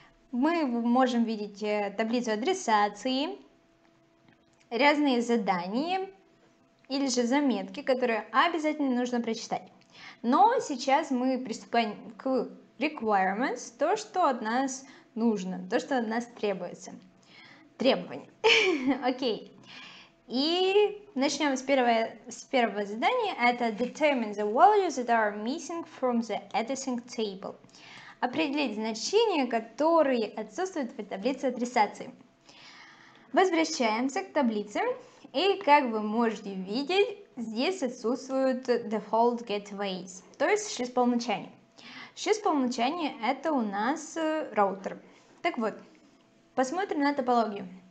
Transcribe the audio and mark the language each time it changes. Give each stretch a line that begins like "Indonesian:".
Russian: Мы можем видеть таблицу адресации, разные задания или же заметки, которые обязательно нужно прочитать. Но сейчас мы приступаем к requirements, то, что от нас нужно, то, что от нас требуется. Требования. Окей. И начнем с первого задания, это
English: determine the values that are missing from the addressing table.
Russian: Определить значения, которые отсутствуют в таблице адресации. Возвращаемся к таблице, и как вы можете видеть, здесь отсутствуют default gateways, то есть сейчас по умолчанию. Сейчас по умолчанию это у нас роутер. Так вот, посмотрим на топологию.